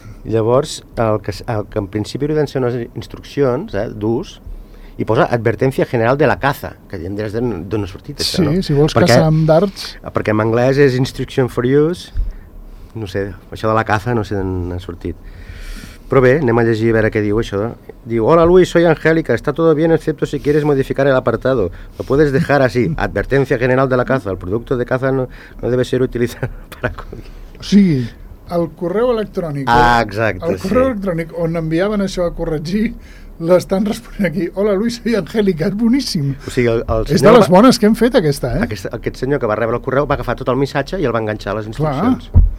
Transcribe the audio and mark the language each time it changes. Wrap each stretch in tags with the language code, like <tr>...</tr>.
<ca>Llavors, el que en principi haurien de ser unes instruccions d'ús, i posa advertència general de</ca> <es>la caza,</es> <ca>que diem des d'on ha sortit això, sí, no? Si vols caçar amb darts... Perquè en anglès és</ca> <en>instruction for use,</en> <ca>no sé, això de</ca> <es>la caza</es> <ca>no sé d'on ha sortit. Però bé, anem a llegir a veure què diu això. Diu,</ca> <es>hola Luis, soy Angélica, está todo bien excepto si quieres modificar el apartado. Lo puedes dejar así, advertencia general de la caza. El producto de caza no debe ser utilizado para...</es> <ca>O sigui, el correu electrònic. Ah, exacte. El correu electrònic on enviaven això a corregir, l'estan responent aquí.</ca> <es>Hola Luis, soy Angélica,</es> <ca>és boníssim. O sigui, el és de les bones que hem fet aquesta, eh? Aquest senyor que va rebre el correu va agafar tot el missatge i el va enganxar a les instruccions.</ca>